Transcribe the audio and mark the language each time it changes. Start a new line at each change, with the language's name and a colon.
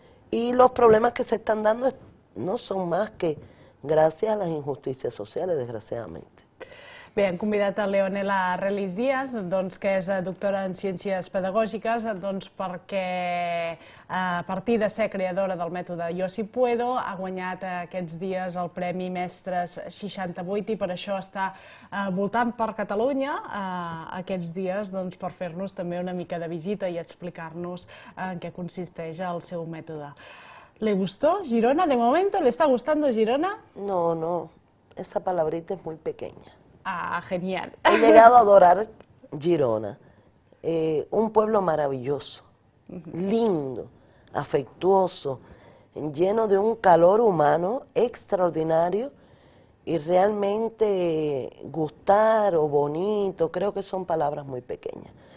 Spanish: Y los problemas que se están dando no son más que gracias a las injusticias sociales, desgraciadamente.
Catalan: Bé, hem convidat a Leonela Relis Díaz, doncs, que és doctora en Ciències Pedagògiques, doncs, perquè a partir de ser creadora del mètode Yo Sí Puedo ha guanyat aquests dies el Premi Mestres 68, i per això està voltant per Catalunya aquests dies, doncs, per fer-nos també una mica de visita i explicar-nos en què consisteix el seu mètode.
Spanish: ¿Le gustó Girona de momento? ¿Le está gustando Girona? No, no, esa palabrita es muy pequeña. Ah, genial. He llegado a adorar Girona, un pueblo maravilloso, lindo, afectuoso, lleno de un calor humano extraordinario, y realmente gustar o bonito, creo que son palabras muy pequeñas.